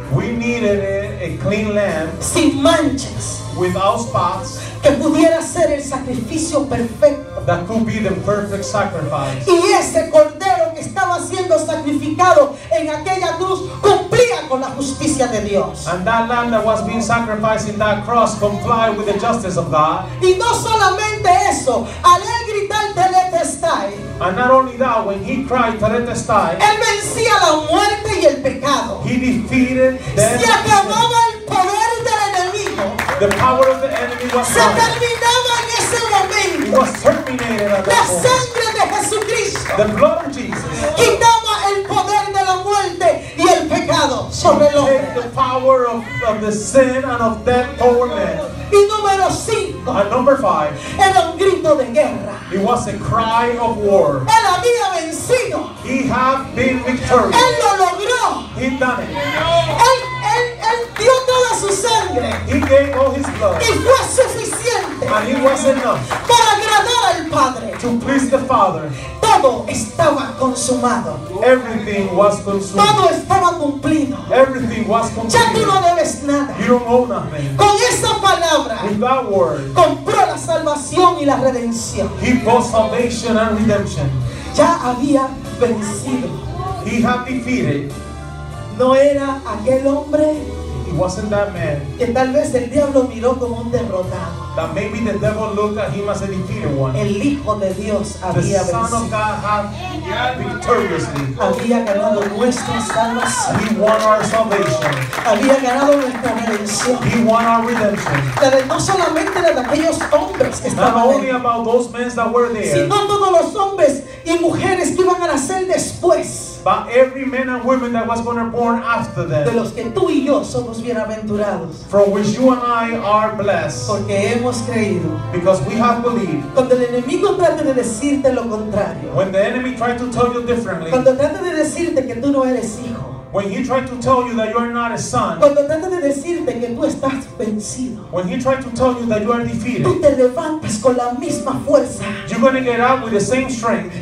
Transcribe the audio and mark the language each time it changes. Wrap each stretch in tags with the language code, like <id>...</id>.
<en>We needed a clean lamb.</en> <es>Sin manchas.</es> <en>Without spots.</en> <es>Que pudiera ser el sacrificio perfecto.</es> <en>That could be the perfect sacrifice.</en> <es>Y ese cordero que estaba siendo sacrificado en aquella cruz cumplía con la justicia de Dios.</es> <en>And that lamb that was being sacrificed in that cross complied with the justice of God.</en> <es>Y no solamente eso, al él gritar teletestai.</es> <en>And not only that, when he cried teletestai,</en> <es>él vencía la muerte y el pecado.</es> <en>He defeated death.</en> <es>Se acababa el poder.</es> <en>The power of the enemy was</en> <es>se terminaba en ese momento.</es> <en>It was terminated at</en> <es>la sangre de Jesucristo.</es> <en>The blood of Jesus.</en> <es>Quitaba el poder de la muerte y el pecado sobre el hombre.</es> <en>The power of the sin and of death over man.</en> <es>Y número 5.</es> <en>And number 5.</en> <es>Era un grito de guerra.</es> <en>It was a cry of war.</en> <es>Él había vencido.</es> <en>He had been victorious.</en> <es>Él lo logró.</es> <en>He done it.</en> <es>Él dio toda su sangre.</es> <en>He gave all his blood.</en> <es>Y fue suficiente.</es> <en>And it was enough.</en> <es>Para agradar al Padre.</es> <en>To please the Father.</en> <es>Todo estaba consumado.</es> <en>Everything was consumed.</en> <es>Todo estaba cumplido.</es> <en>Everything was completed.</en> <es>Ya tú no debes nada.</es> <en>You don't owe nothing.</en> <es>Con esa palabra.</es> <en>With that word.</en> <es>Compró la salvación y la redención.</es> <en>He bought salvation and redemption.</en> <es>Ya había vencido.</es> <en>He had defeated.</en> <es>No era aquel hombre.</es> <en>He wasn't that man.</en> <es>Que tal vez el diablo miró como un derrotado.</es> <en>That maybe the devil looked at him as a defeated one.</en> <es>El hijo de Dios había</es> <en>the son of God had victoriously.</en> <es>Había ganado nuestra salvación.</es> <en>He won our salvation.</en> <es>Había ganado nuestra redención.</es> <en>He won our redemption.</en> <es>De, no solamente de aquellos hombres que estaban</es> <en>not only ahí, about those men that were there,</en> <es>sino todos los hombres y mujeres que iban a nacer después.</es> <en>But every man and woman that was going to born after them.</en> <es>De los que tú y yo somos bienaventurados.</es> <en>From which you and I are blessed.</en> <es>Porque hemos creído.</es> <en>Because we have believed.</en> <es>Cuando el enemigo trate de decirte lo contrario.</es> <en>When the enemy tried to tell you differently.</en> <es>Cuando trate de decirte que tú no eres hijo.</es> <en>When he tried to tell you that you are not a son.</en> <es>Cuando trate de decirte que tú estás vencido.</es> <en>When he tried to tell you that you are defeated.</en> <es>Tú te levantas con la misma fuerza.</es> <en>You're going to get up with the same strength.</en>